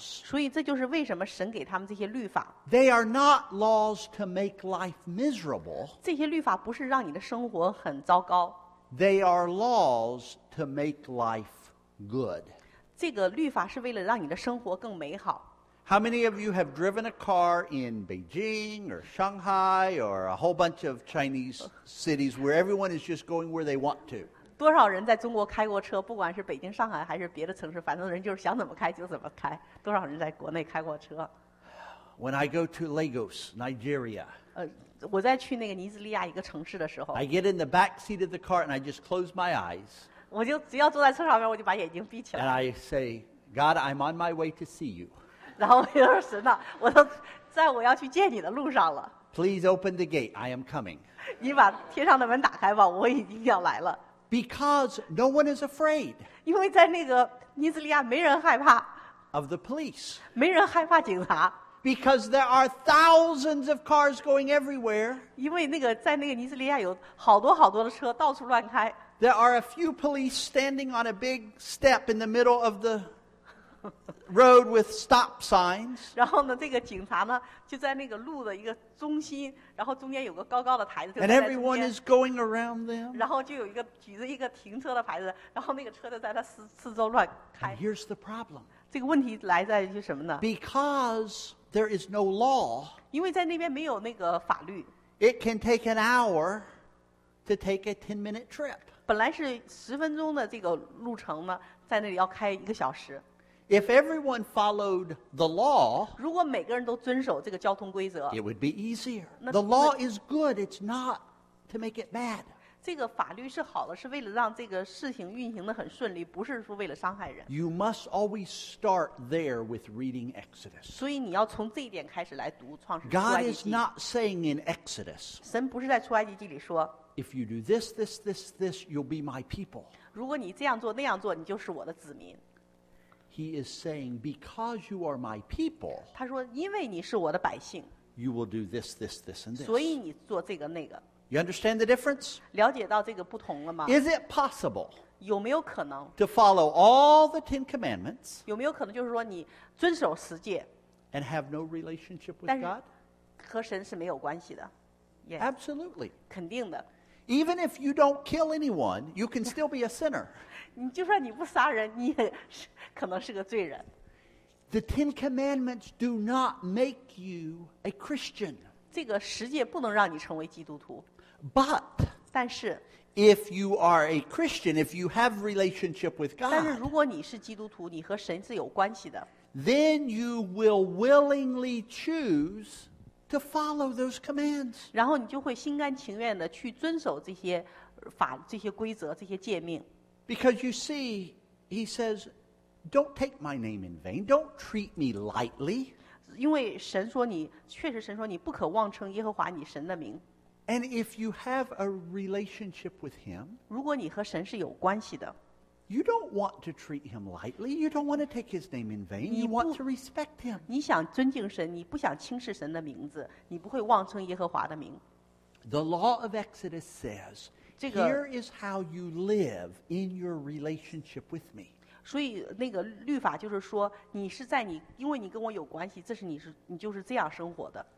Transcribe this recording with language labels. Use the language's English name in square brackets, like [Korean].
[Chinese] 所以这就是为什么神给他们这些律法。 [English] They are not laws to make life miserable. [Chinese] 这些律法不是让你的生活很糟糕。 [English] They are laws to make life good. [Chinese] 这个律法是为了让你的生活更美好。 [English] How many of you have driven a car in Beijing or Shanghai or a whole bunch of Chinese cities where everyone is just going where they want to? [Chinese] 多少人在中国开过车，不管是北京、上海还是别的城市，反正人就是想怎么开就怎么开。多少人在国内开过车 [English] ？When I go to Lagos, Nigeria. [Chinese] 我在去那个尼日利亚一个城市的时候 [English] ，I get in the back seat of the car and I just close my eyes. [Chinese] 我就只要坐在车上面，我就把眼睛闭起来。 [English] And I say, God, I'm on my way to see you. [Chinese] 然后我就说神啊，我都在我要去见你的路上了。 [English] Please open the gate. I am coming. [Chinese] 你把天上的门打开吧，我已经要来了。 [English] Because no one is afraid. [Chinese] 因为在那个尼日利亚没人害怕。 [English] Of the police. [Chinese] 没人害怕警察。 [English] Because there are thousands of cars going everywhere. [Chinese] 因为那个在那个尼日利亚有好多好多的车到处乱开。 [English] There are a few police standing on a big step in the middle of the road with stop signs. [Chinese] 然后呢，这个警察呢就在那个路的一个中心，然后中间有个高高的台子，就在中间。 [English] And everyone is going around them. [Chinese] 然后就有一个举着一个停车的牌子，然后那个车就在他四周乱开。 [English] And here's the problem. [Chinese] 这个问题来在于什么呢 [English] ？Because there is no law. [Chinese] 因为在那边没有那个法律。 [English] It can take an hour to take a 10-minute trip. [Chinese] 本来是十分钟的这个路程呢，在那里要开一个小时。 [English] If everyone followed the law, [Chinese] 如果每个人都遵守这个交通规则 [English] ，it would be easier. The law is good; it's not to make it bad. [Chinese] 这个法律是好的，是为了让这个事情运行得很顺利，不是说为了伤害人。 [English] You must always start there with reading Exodus. [Chinese] 所以你要从这一点开始来读创世记。 [English] God is not saying in Exodus. [Chinese] 神不是在出埃及记里说。 [English] If you do this, this, this, this, you'll be my people. [Chinese] 如果你这样做那样做，你就是我的子民。 [English] He is saying, because you are my people. [Chinese] 他说，因为你是我的百姓。 [English] You will do this, this, this, and this. [Chinese] 所以你做这个那个。 [English] You understand the difference? [Chinese] 了解到这个不同了吗 [English] ？Is it possible? [Chinese] 有没有可能 [English] ？To follow all the Ten Commandments? [Chinese] 有没有可能就是说你遵守十诫 [English] ？And have no relationship with God? [Chinese] 和神是没有关系的。 [English] Yes. Absolutely. [Chinese] 肯定的。 [English] Even if you don't kill anyone, you can still be a sinner. [Chinese] 你就算你不杀人，你也是可能是个罪人。 [English] The Ten Commandments do not make you a Christian. [Chinese] 这个十诫不能让你成为基督徒。 [English] But, [Chinese] 但是 [English] if you are a Christian, if you have relationship with God, [Chinese] 但是如果你是基督徒，你和神是有关系的。 [English] Then you will willingly choose. To follow those commands. [Chinese] 然后你就会心甘情愿地去遵守这些法、这些规则、这些诫命。 [English] Because you see, he says, don't take my name in vain. Don't treat me lightly. [Chinese] 因为神说你，确实神说你不可妄称耶和华你神的名。 [English] And if you have a relationship with him, [Chinese] 如果你和神是有关系的。 [English] You don't want to treat him lightly. You don't want to take his name in vain. You want to respect him. [Chinese] 你想尊敬神，你不想轻视神的名字，你不会妄称耶和华的名。 [English] The law of Exodus says, "Here is how you live in your relationship with me." [Chinese] 所以那个律法就是说，你是在你，因为你跟我有关系，这是你是你就是这样生活的。